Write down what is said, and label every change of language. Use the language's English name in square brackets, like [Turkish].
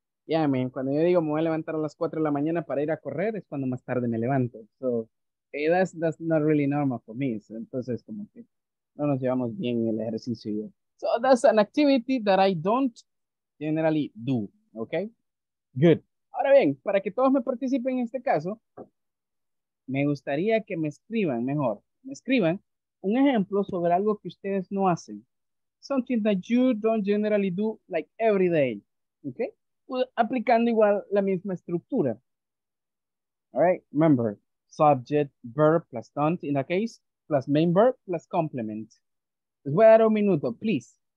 [Spanish] Yeah, man, cuando yo digo me voy a levantar a las 4 de la mañana para ir a correr, es cuando más tarde me levanto. [English] So, hey, that's not really normal for me. [Spanish] So, entonces, como que no nos llevamos bien el ejercicio. Yo. [English] So, that's an activity that I don't generally do. Okay? Good. [Spanish] Ahora bien, para que todos me participen en este caso, me gustaría que me escriban un ejemplo sobre algo que ustedes no hacen. [English] Something that you don't generally do like every day. Okay? [Spanish] Aplicando igual la misma estructura. [English] All right, remember, subject, verb, plus don't, in that case, plus main verb, plus complement. [Spanish] Les voy a dar un minuto, [English] please.